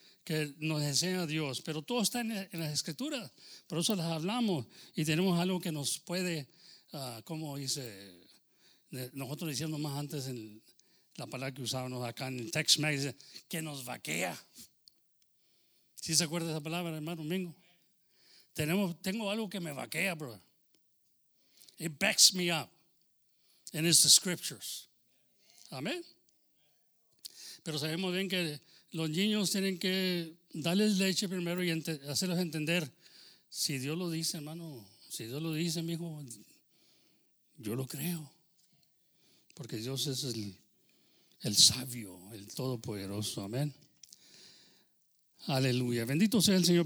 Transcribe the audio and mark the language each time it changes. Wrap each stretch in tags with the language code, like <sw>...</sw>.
<es>Que nos enseña Dios, pero todo está en las escrituras, por eso las hablamos y tenemos algo que nos puede, como dice, nosotros diciendo más antes en la palabra que usábamos acá en el Tex-Mex, que nos vaquea. ¿Sí se acuerda de esa palabra, hermano Mingo? Tengo algo que me vaquea, bro.</es> <en>It backs me up, and it's the scriptures.</en> <es>Amén. Pero sabemos bien que los niños tienen que darles leche primero y hacerlos entender. Si Dios lo dice, hermano, si Dios lo dice, mijo, yo lo creo. Porque Dios es el sabio, el todopoderoso. Amén. Aleluya. Bendito sea el Señor.</es>